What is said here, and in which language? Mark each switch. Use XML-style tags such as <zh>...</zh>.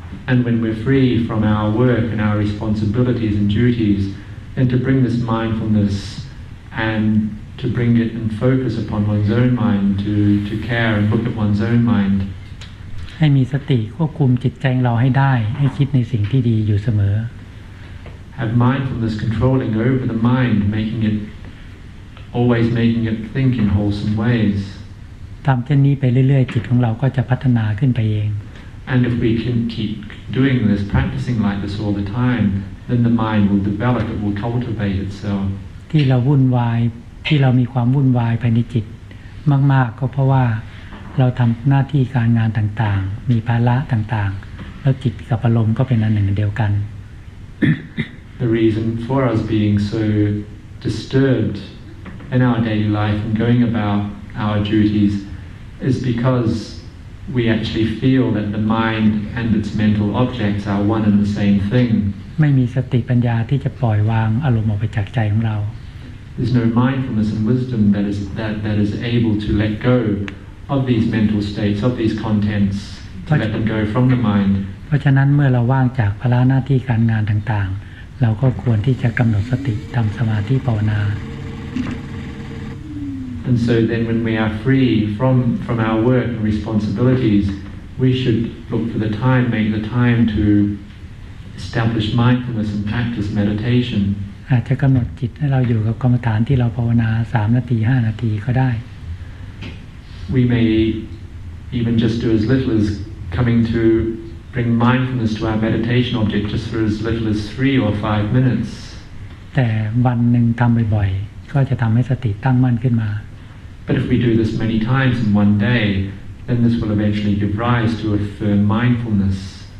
<en>And when we're free from our work and our responsibilities and duties, and to bring this mindfulness and to bring it and focus upon one's own mind, to care and look at one's own mind.</en> <th>ให้มีสติควบคุมจิตใจเราให้ได้ให้คิดในสิ่งที่ดีอยู่เสม</th> <en>อ Have mindfulness controlling over the mind, making it always making it think in wholesome ways.</en> <th>ทำเช่นนี้ไปเรื่อยๆจิตของเราก็จะพัฒนาขึ้นไปเอง</th> <en>And if we can keep doing this, practicing like this all the time, then the mind will develop, it will cultivate itself.</en> <th>ที่เราวุ่นวายที่เรามีความวุ่นวายภายในจิตมากๆก็เพราะว่าเราทำหน้าที่การงานต่างๆมีภาระต่างๆแล้วจิตกับอารมณ์ก็เป็นอันหนึ่งเดียวกัน</th> <en>The reason for us being so disturbed in our daily life and going about our duties is because we actually feel that the mind and its mental objects are one and the same thing</en> <th>ไม่มีสติปัญญาที่จะปล่อยวางอารมณ์ออกไปจากใจของเรา</th> <en>There's no mindfulness and wisdom that is able to let goOf these mental states, of these contents, to let them go from the mind.</en> <th>เพราะฉะนั้นเมื่อเราว่างจากภาระหน้าที่การงานต่างๆเราก็ควรที่จะกำหนดสติทำสมาธิภาวนา</th> <en>And so then, when we are free from our work and responsibilities, we should look for the time, make the time to establish mindfulness and practice meditation.</en> <th>อาจจะกำหนดจิตให้เราอยู่กับกรรมฐานที่เราภาวนา3นาที5นาทีก็ได้</th> <en>We may even just do as little as coming to bring mindfulness to our meditation object just for as little as 3 or 5 minutes.</en> <th>แต่วันหนึ่งทำบ่อยๆก็จะทำให้สติตั้งมั่นขึ้นมา</th> <en>But if we do this many times in one day, then this will eventually give rise to a firm mindfulness.</en>